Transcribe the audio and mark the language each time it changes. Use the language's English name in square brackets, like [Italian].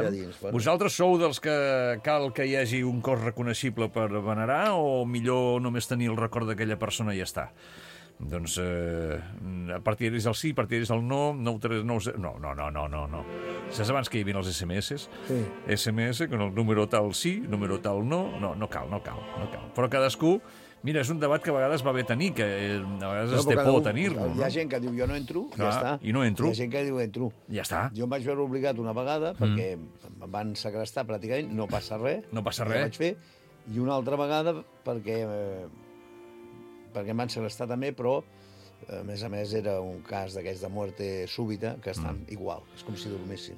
[Catalan] Allà dins. Bueno. Vosaltres sou dels que cal que hi hagi un cos reconeixible per venerar o millor només tenir el record d'aquella persona i ja està? Doncs a partir del sí, a partir del no, 939... No. Saps abans que hi havia els SMS? Sí. [Spanish] SMS, con el número tal sí, número tal no. [Catalan] No cal. Però cadascú... Mira, és un debat que a vegades va bé tenir, que a vegades es té por a tenir-lo. Hi ha gent que diu, jo no entro, clar, ja està. I no entro. Hi ha gent que diu, entro. Ja està. Jo em vaig veure obligat una vegada, perquè em van segrestar pràcticament, no passa res. No passa res. I vaig fer. I una altra vegada, perquè em van segrestar també, però, a més, era un cas d'aquests de [Spanish] muerte súbita, [Catalan] que estan igual, és com si dormissin.